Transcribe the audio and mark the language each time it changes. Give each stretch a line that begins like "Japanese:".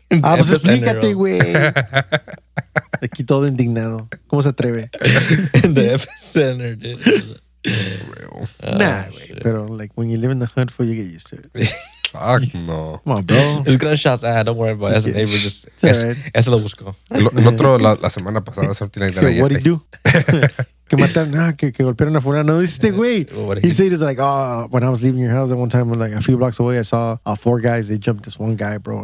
Spanish: Ah, pues explícate, güey. Aquí todo indignado. ¿Cómo se atreve?
English: In the epicenter, dude.
Spanish: Nah, güey.
English: Pero, like, when you live in the hood, before you get used to it. Fuck, no. Come on, bro. It's gunshots. Ah, don't worry about it. As a neighbor, just... It's all right.
Spanish: Eso lo busco. El otro, la semana pasada, se obtiene la galleta.
English: What do you do?
Spanish: Que mataron, ah, que golpearon a fulano. No, dice este güey.
English: He said, it's like, oh, when I was leaving your house, that one time, like, a few blocks away, I saw four guys, they jumped this one guy, bro.